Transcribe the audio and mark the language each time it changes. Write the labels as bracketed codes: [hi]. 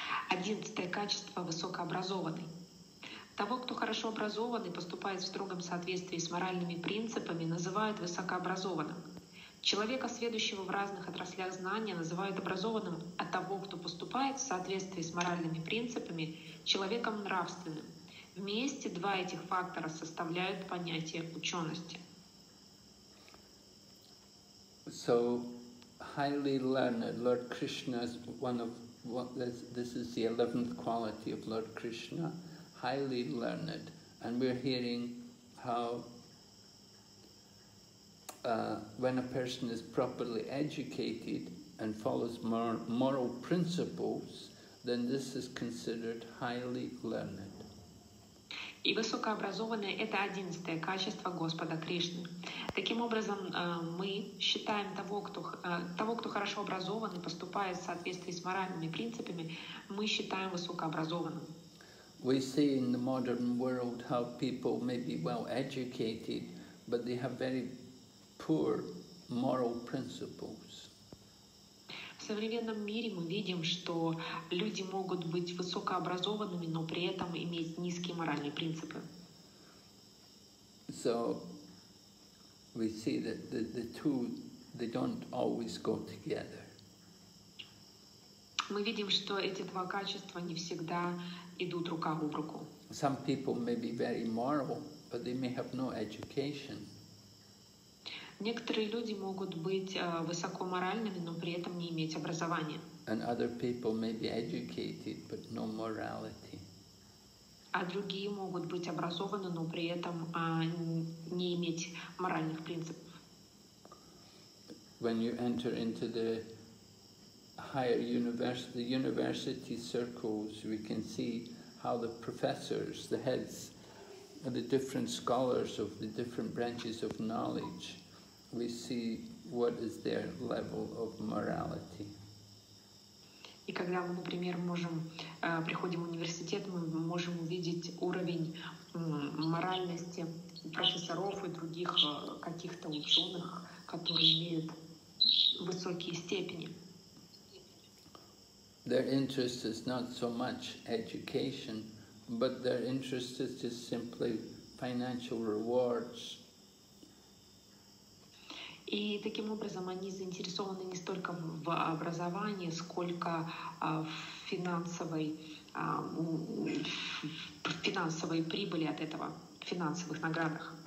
[ru] 11 качество высокообразованный. Того, кто хорошо образован и поступает в строгом соответствии с моральными принципами, называют высокообразованным. Человека, сведущего в разных отраслях знания, называют образованным, а того, кто поступает в соответствии с моральными принципами, человеком нравственным. Вместе два этих фактора составляют понятие учености. [en] So, highly learned, Lord Krishna is one of, this is the 11th quality of Lord Krishna. Highly learned, and we're hearing how when a person is properly educated and follows moral principles, then this is considered highly learned. [ru] И высокообразованное — это 11-е качество Господа Кришны. Таким образом, мы считаем того, кто хорошо образован и поступает в соответствии с моральными принципами, мы считаем высокообразованным. [en] We see in the modern world how people may be well educated, but they have very poor moral principles. [ru] В современном мире мы видим, что люди могут быть высокообразованными, но при этом иметь низкие моральные принципы. [en] So we see that the two, they don't always go together. [ru] Мы видим, что эти два качества не всегда идут рука об руку. [en] Some people may be very moral, but they may have no education. [ru] Некоторые люди могут быть высокоморальными, но при этом не иметь образования. [en] And other people may be educated, but no morality. [ru] А другие могут быть образованы, но при этом не иметь моральных принципов. [en] When you enter into the higher university, the university circles, we can see how the professors, the heads, the different scholars of the different branches of knowledge, we see what is their level of morality. [ru] И когда мы, например, приходим в университет, мы можем увидеть уровень моральности профессоров и других каких-то ученых, которые имеют высокие степени. [en] their interest is not so much education, but their interest is just simply financial rewards. [ru] И таким образом они заинтересованы не столько в образовании, сколько в финансовой прибыли от этого, финансовых наградах.